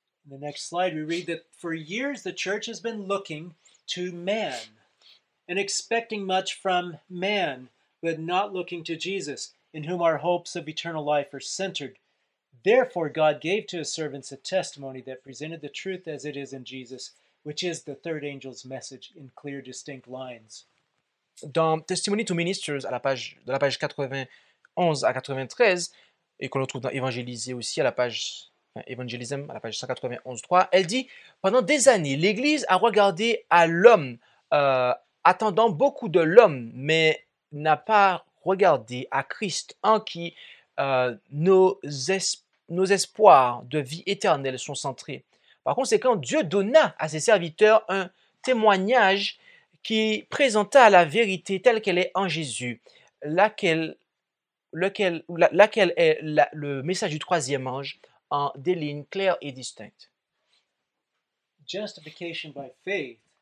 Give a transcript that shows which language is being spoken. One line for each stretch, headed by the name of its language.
English: The next slide, we read that for years the church has been looking to man and expecting much from man, but not looking to Jesus. in whom our hopes of eternal life are centered. Therefore, God gave to his servants a testimony that presented the truth as it is in Jesus, which is the third angel's message in clear, distinct lines.
French: Dans Testimony to Ministers, à la page, de la page 91 à 93, et qu'on retrouve dans Évangéliser aussi, à la page, enfin, Evangelism, à la page 191-3, elle dit, pendant des années, l'Église a regardé à l'homme, attendant beaucoup de l'homme, mais n'a pas regardé à Christ, en qui nos espoirs de vie éternelle sont centrés. Par conséquent, Dieu donna à ses serviteurs un témoignage qui présenta la vérité telle qu'elle est en Jésus, laquelle est le message du troisième ange en des lignes claires et distinctes.
English: Justification by faith,